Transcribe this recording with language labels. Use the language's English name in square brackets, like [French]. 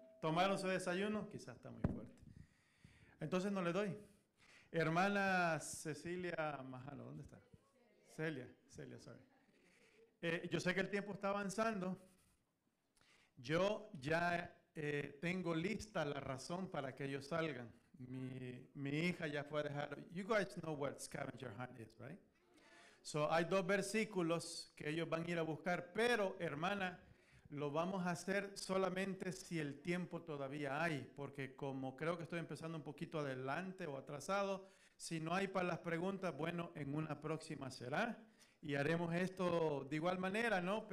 [Spanish] ¿Tomaron su desayuno? Quizás está muy fuerte. Entonces no le doy. Hermana Cecilia Majalo, ¿dónde está? Celia, sorry. Yo sé que el tiempo está avanzando. Yo ya tengo lista la razón para que ellos salgan. Mi hija ya fue a dejar. [English] You guys know what scavenger hunt is, right? [Spanish] So, hay dos versículos que ellos van a ir a buscar, pero hermana, lo vamos a hacer solamente si el tiempo todavía hay, porque como creo que estoy empezando un poquito adelante o atrasado, si no hay para las preguntas, bueno, en una próxima será, y haremos esto de igual manera, ¿no?